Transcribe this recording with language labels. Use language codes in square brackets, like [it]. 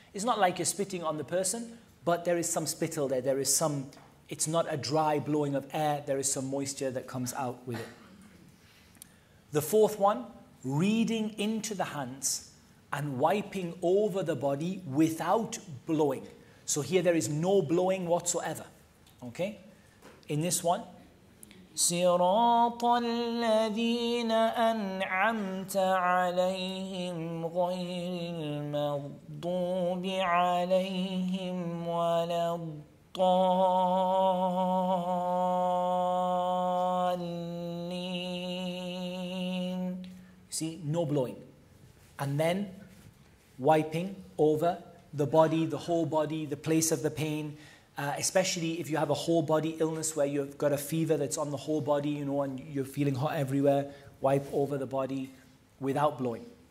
[en] It's not like you're spitting on the person, but there is some spittle there. There is some. It's not a dry blowing of air. There is some moisture that comes out with it. The fourth one, reading into the hands and wiping over the body without blowing. So here there is no blowing whatsoever. Okay? In this one, [ar] صراط الذين أنعمت عليهم غير المغضوب عليهم ولا الضالين. [en] See, no blowing. And then wiping over the body, the whole body, the place of the pain. Especially if you have a whole body illness where you've got a fever that's on the whole body, you know, and you're feeling hot everywhere, wipe over the body without blowing.